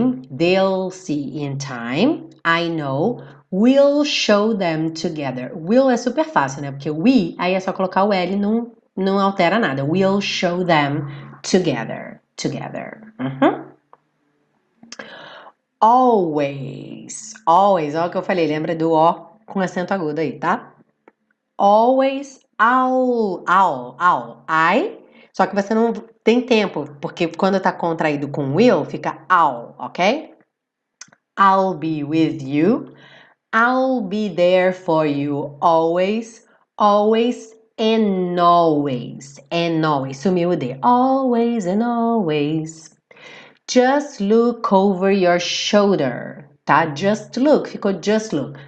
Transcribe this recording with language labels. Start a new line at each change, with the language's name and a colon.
English: They'll see in time, I know, we'll show them together.
Portuguese: Will é super fácil, né? Porque we, aí é só colocar o L e não altera nada.
English: We'll show them together. Uhum.
Portuguese: Always, olha o que eu falei, lembra do O com acento agudo aí, tá?
English: Always, ao, I.
Portuguese: Só que você não tem tempo, porque quando tá contraído com will, fica I'll, ok?
English: I'll be with you. I'll be there for you always. Always and always. And always.
Portuguese: Sumiu o D.
English: Always and always. Just look over your shoulder, tá? Just look.
Portuguese: Ficou
English: just look.